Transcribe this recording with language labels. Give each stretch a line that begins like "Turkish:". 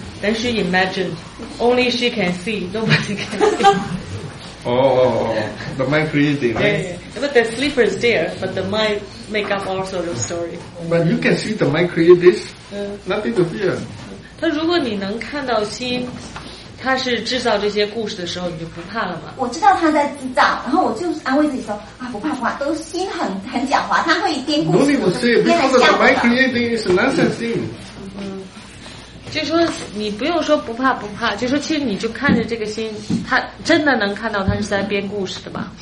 English: Then she imagined, only she can see, nobody can see. The mind creating, right? Yeah. But the slipper is there, but the mind make up also the story. But you can see the mind create this. Nothing to fear.
Chinese: 他如果你能看到心。他是制造这些故事的时候，你就不怕了吗？我知道他在制造，然后我就安慰自己说啊，不怕不怕，都心很狡猾，他会编故事。
English: No need to say because the mind creating is nonsense thing.
Chinese: 就说你不用说不怕不怕，就说其实你就看着这个心，他真的能看到他是在编故事的吧？